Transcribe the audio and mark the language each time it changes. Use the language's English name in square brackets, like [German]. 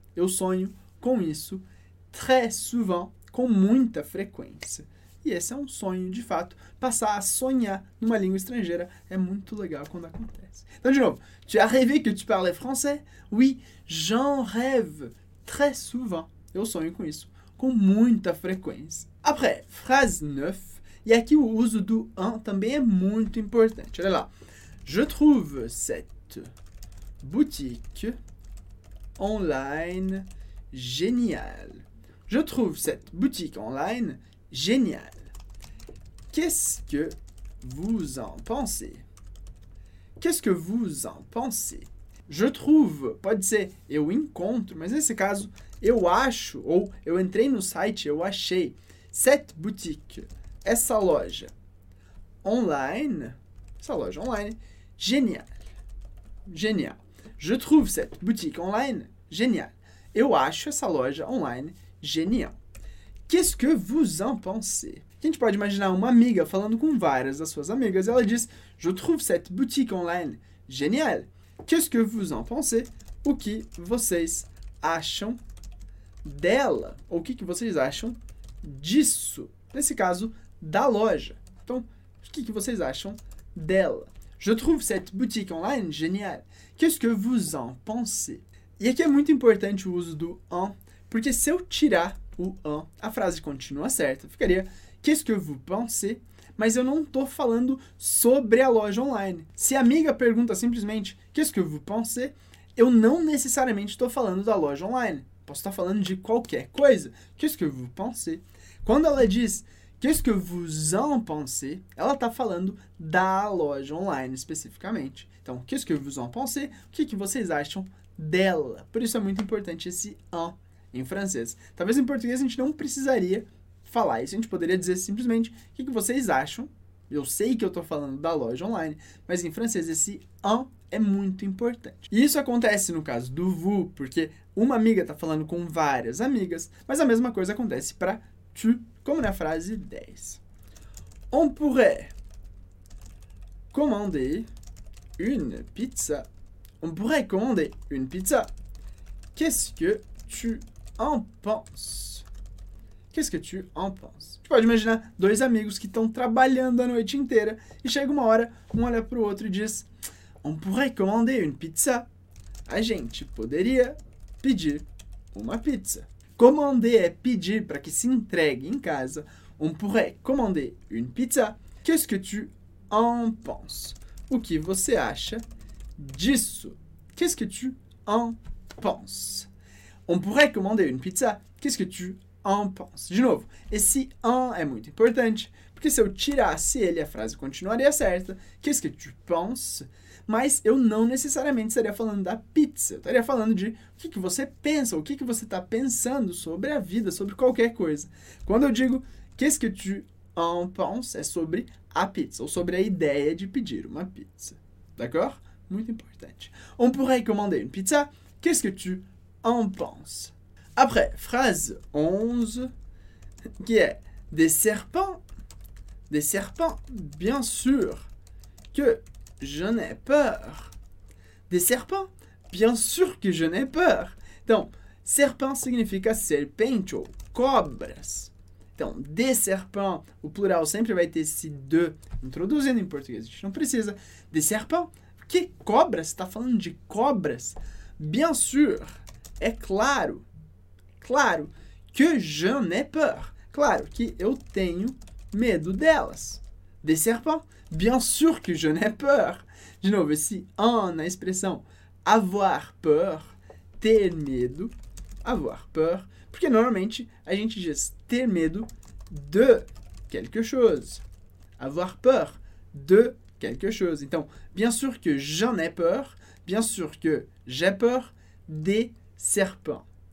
[Portuguese] Eu sonho com isso [French] très souvent, [Portuguese] com muita frequência. E esse é um sonho, de fato. Passar a sonhar numa língua estrangeira é muito legal quando acontece. Então, de novo, [French] tu as rêvé que tu parlais français? Oui, j'en rêve très souvent. [Portuguese] Eu sonho com isso com muita frequência. [French] Après, [Portuguese] phrase 9. E aqui o uso do en também é muito importante. Olha lá. [French] Je trouve cette boutique online géniale. Je trouve cette boutique online géniale. Qu'est-ce que vous en pensez? Qu'est-ce que vous en pensez? Je trouve, [Portuguese] pode ser eu encontro, mas nesse caso eu acho, ou eu entrei no site, eu achei. [French] Cette boutique, [Portuguese] essa loja online, essa loja online, [French] génial, génial. Je trouve cette boutique online génial. [Portuguese] Eu acho essa loja online génial. [French] Qu'est-ce que vous en pensez? [Portuguese] A gente pode imaginar uma amiga falando com várias das suas amigas, ela diz, [French] je trouve cette boutique online génial. Qu'est-ce que vous en pensez? [Portuguese] O que vocês acham dela? Ou o que vocês acham disso? Nesse caso, da loja. Então, o que vocês acham dela? [French] Je trouve cette boutique online génial. Qu'est-ce que vous en pensez? [Portuguese] E aqui é muito importante o uso do en, porque se eu tirar o en, a frase continua certa. Ficaria, [French] qu'est-ce que vous pensez? [Portuguese] Mas eu não estou falando sobre a loja online. Se a amiga pergunta simplesmente, [French] qu'est-ce que vous pensez? [Portuguese] Eu não necessariamente estou falando da loja online. Posso estar falando de qualquer coisa. [French] Qu'est-ce que vous pensez? [Portuguese] Quando ela diz, [French] qu'est-ce que vous en pensez? [Portuguese] Ela está falando da loja online especificamente. Então, [French] qu'est-ce que vous en pensez? [Portuguese] O que vocês acham dela? Por isso é muito importante esse en em francês. Talvez em português a gente não precisaria falar isso. A gente poderia dizer simplesmente, o que vocês acham? Eu sei que eu estou falando da loja online, mas em francês esse en é muito importante. E isso acontece no caso do vous, porque uma amiga está falando com várias amigas, mas a mesma coisa acontece para tu, como na frase 10. [French] On pourrait commander une pizza. On pourrait commander une pizza. Qu'est-ce que tu en penses? Qu'est-ce que tu en penses? [Portuguese] Tu pode imaginar dois amigos que estão trabalhando a noite inteira e chega uma hora, um olha para o outro e diz: [French] on pourrait commander une pizza. [Portuguese] a gente poderia pedir uma pizza. Commander é pedir para que se entregue em casa. [French] On pourrait commander une pizza. Qu'est-ce que tu en penses? [Portuguese] O que você acha disso? [French] Qu'est-ce que tu en penses? On pourrait commander une pizza. Qu'est-ce que tu en penses? [Portuguese] De novo, esse en é muito importante, porque se eu tirasse ele, a frase continuaria certa. [French] Qu'est-ce que tu penses? [Portuguese] Mas eu não necessariamente estaria falando da pizza. Eu estaria falando de o que, que você pensa, o que, que você está pensando sobre a vida, sobre qualquer coisa. Quando eu digo [French] qu'est-ce que tu en penses, [Portuguese] é sobre a pizza, ou sobre a ideia de pedir uma pizza. [French] D'accord? [Portuguese] Muito importante. [French] On pourrait commander une pizza. Qu'est-ce que tu en penses? Après, phrase 11, qui est des serpents. Des serpents, bien sûr que j'en ai peur. Des serpents, bien sûr que j'en ai peur. Donc, serpent [Portuguese] significa serpente ou cobras. Então, [French] des serpents, [Portuguese] o plural sempre vai ter esse de introduzindo em português. A gente não precisa. [French] Des serpents, [Portuguese] que cobras? Está falando de cobras? [French] Bien sûr, [Portuguese] é claro. Claro que [French] j'en ai peur. [Portuguese] Claro que eu tenho medo delas. [French] Des serpents, bien sûr que j'en ai peur. [Portuguese] De novo, esse en na expressão [French] avoir peur, [Portuguese] ter medo, avoir peur. Porque normalmente a gente diz ter medo de [French] quelque chose. Avoir peur de quelque chose. [Portuguese] Então, [French] bien sûr que j'en ai peur, bien sûr que j'ai peur des serpents.